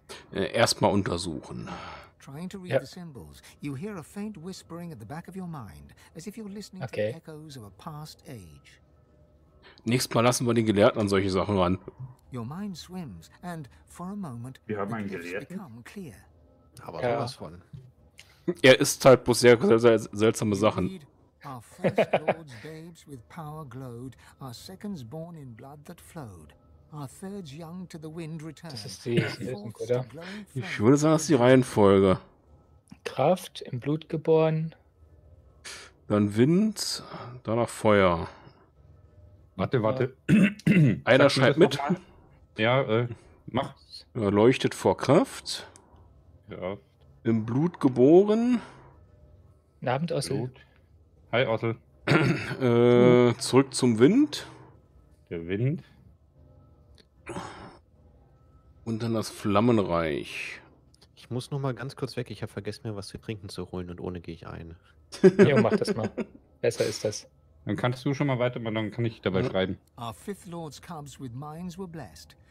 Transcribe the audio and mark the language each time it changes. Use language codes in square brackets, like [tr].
[de] Erstmal untersuchen. [en] Trying to read the symbols, you hear a faint whispering at the back of your mind, as if you're listening to the echoes of a past age. [de] Nächstes Mal lassen wir den Gelehrten an solche Sachen ran. [en] Your mind swims and for a moment. [de] Wir haben einen Gelehrten. Aber sowas von. Er ist halt bloß sehr, sehr, sehr seltsame Sachen. [en] Our first lords, babes with power glowed, our seconds born in blood that flowed, our thirds young to the wind returned. [de] Das ist die Lösung, oder? Ich würde sagen, das ist die Reihenfolge. Kraft, im Blut geboren. Dann Wind, danach Feuer. Warte, warte. Einer schreibt mit. Ja, mach. Er leuchtet vor Kraft. Ja. Im Blut geboren. Abend aus Blut. Hi, Ottel. Zurück zum Wind. Der Wind. Und dann das Flammenreich. Ich Ich muss noch mal ganz kurz weg. Ich habe vergessen, mir was zu trinken zu holen und ohne gehe ich ein. Ja, mach das mal. Besser ist das. Dann kannst du schon mal weitermachen, dann kann ich dabei schreiben. [en] Our fifth lord's cubs with minds were blessed.